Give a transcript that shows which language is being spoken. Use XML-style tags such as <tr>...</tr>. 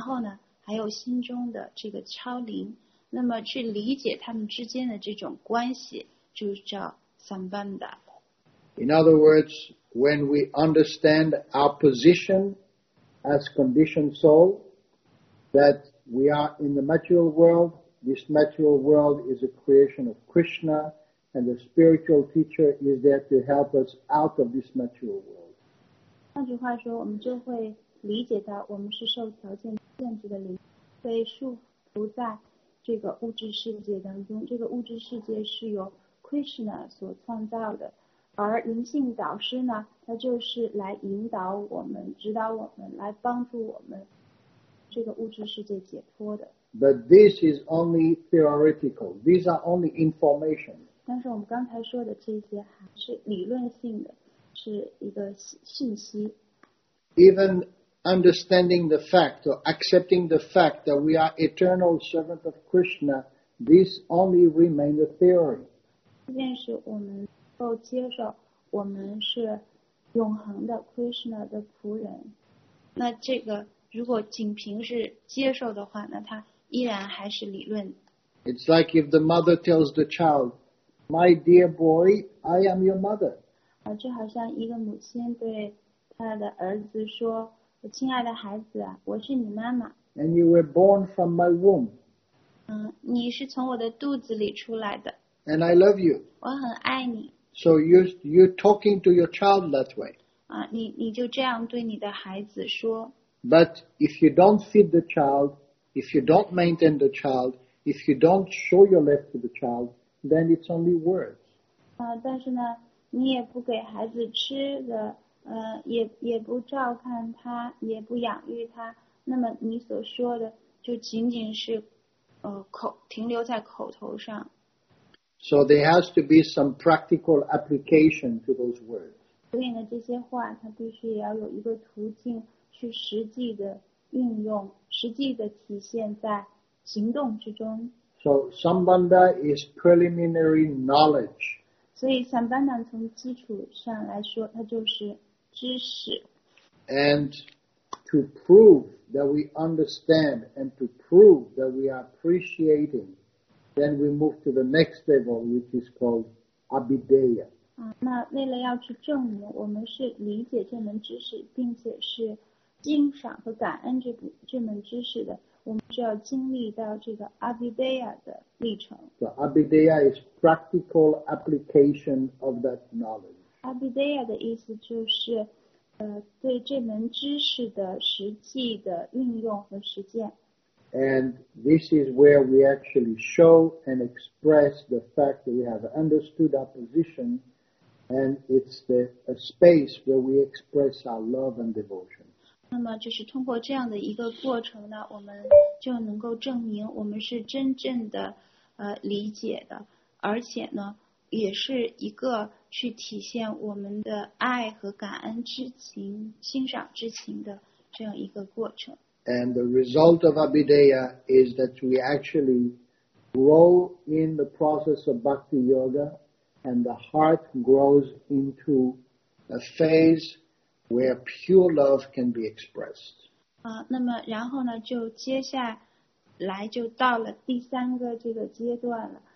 <zh>所以说呢,有经典中的知识,然后呢,有这个灵性导师,指引我们的灵性导师,然后呢,还有心中的这个超灵, 那么去理解他们之间的这种关系就叫 Sambandha.</zh> <en>In other words, when we understand our position as conditioned soul, that we are in the material world, this material world is a creation of Krishna, and the spiritual teacher is there to help us out of this material world.</en> <zh>换句话说, 我们就会理解到我们是受条件限制的灵，被束缚在这个物质世界当中。这个物质世界是由 Krishna 所创造的，而灵性导师呢，他就是来引导我们、指导我们、来帮助我们这个物质世界解脱的。</zh> <en>But this is only theoretical. These are only information.</en> <zh>但是我们刚才说的这些还是理论性的，是一个信息。</zh> <en>Even understanding the fact or accepting the fact that we are eternal servant of Krishna, this only remains a theory.</en> <zh>即便是我们能够接受我们是永恒的 Krishna 的仆人，那这个如果仅凭是接受的话，那它依然还是理论。</zh> <en>It's like if the mother tells the child, "My dear boy, I am your mother."</en> <zh>啊，就好像一个母亲对他的儿子说，我亲爱的孩子，我是你妈妈。</zh> <en>And you were born from my womb.</en> <zh>嗯，你是从我的肚子里出来的。</zh> <en>And I love you.</en> <zh>我很爱你。</zh> <en>So you're talking to your child that way.</en> <zh>啊，你就这样对你的孩子说。</zh> <en>But if you don't feed the child, if you don't maintain the child, if you don't show your love to the child, then it's only words.</en> <zh>啊，但是呢，你也不给孩子吃的。也不照看他，也不养育他，那么你所说的就仅仅是停留在口头上。</zh> <en>So there has to be some practical application to those words.</en> <zh>所以呢，这些话它必须也要有一个途径去实际的运用，实际的体现在行动之中。</zh> <en>So Sambandha is preliminary knowledge.</en> <zh>所以 Sambandha 从基础上来说，它就是知识。</zh> <en>And to prove that we understand and to prove that we are appreciating, then we move to the next level, which is called Abhideya.</en> <zh>那为了要去证明我们是理解这门知识，并且是欣赏和感恩这门知识的，我们就要经历到这个 Abhideya 的历程。</zh> <en>So Abhideya is practical application of that knowledge.</en> <zh>Abhideya 的意思就是对这门知识的实际的运用和实践。</zh> <en>And this is where we actually show and express the fact that we have understood our position, and it's a space where we express our love and devotion.</en> <zh>那么就是通过这样的一个过程呢，我们就能够证明我们是真正的理解的，而且呢也是一个去体现我们的爱和感恩之情、欣赏之情的这样一个过程。</zh> <en>And the result of Abhideya is that we actually grow in the process of Bhakti Yoga, and the heart grows into a phase where pure love can be expressed.</en> <zh>那么然后呢，就接下来就到了第三个这个阶段了。</zh>